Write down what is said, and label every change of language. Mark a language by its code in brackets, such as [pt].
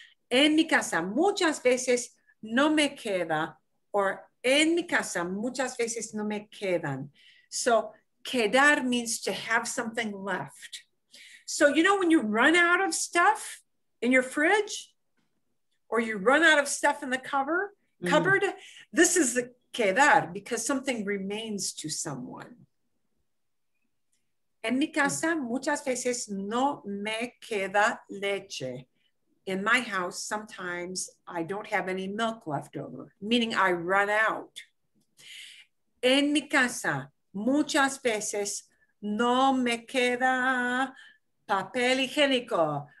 [es] En mi casa, muchas veces, no me queda, or en mi casa, muchas veces, no me quedan. [en] So, quedar means to have something left. So, you know, when you run out of stuff in your fridge, or you run out of stuff in the cupboard, this is the quedar, because something remains to someone. [es] En mi casa, muchas veces, no me queda leche. [en] In my house, sometimes I don't have any milk left over, meaning I run out. [es] En mi casa, muchas veces, no me queda papel higiénico.